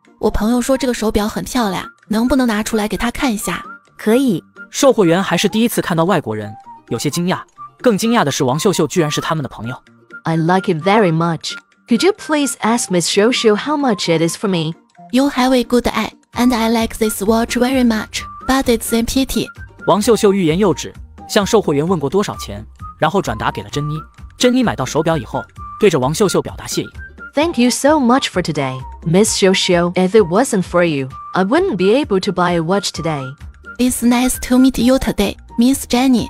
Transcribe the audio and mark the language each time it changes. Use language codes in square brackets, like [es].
[zh] 我朋友说这个手表很漂亮，能不能拿出来给他看一下？可以。售货员还是第一次看到外国人，有些惊讶，更惊讶的是王秀秀居然是他们的朋友。 [en] I like it very much. Could you please ask Miss Shou Shou how much it is for me? You have a good eye, and I like this watch very much, but it's a pity. [zh] 王秀秀欲言又止，向售货员问过多少钱，然后转达给了珍妮。珍妮买到手表以后对着王秀秀表达谢意。 [en] Thank you so much for today, Miss Shou Shou. If it wasn't for you, I wouldn't be able to buy a watch today. It's nice to meet you today, Miss Jenny.